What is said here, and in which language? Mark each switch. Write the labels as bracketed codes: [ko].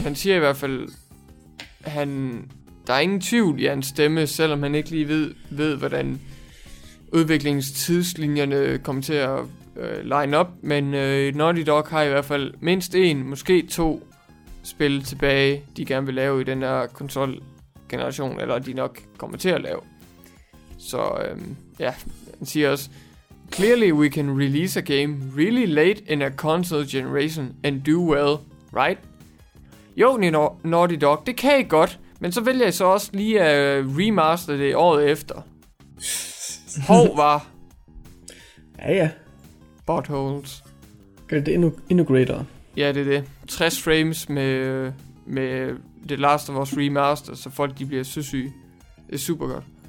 [da] Han siger i hvert fald, han der er ingen tvivl i hans stemme, selvom han ikke lige ved hvordan udviklingstidslinjerne kommer til at line up, men Naughty Dog har i hvert fald mindst en, måske to spil tilbage, de gerne vil lave i den her konsol generation eller de nok kommer til at lave. Så han siger også, [en] Clearly we can release a game really late in a console generation and do well, right? [da] Jo, Naughty Dog, det kan I godt, men så vælger jeg så også lige at remaster det året efter. Hov, var. Ja, ja. [en] Buttholes. [da] Gør det endnu greater. Ja, det er det. 60 frames med The Last of Us Remaster, så folk de bliver søsyge. Det er super godt.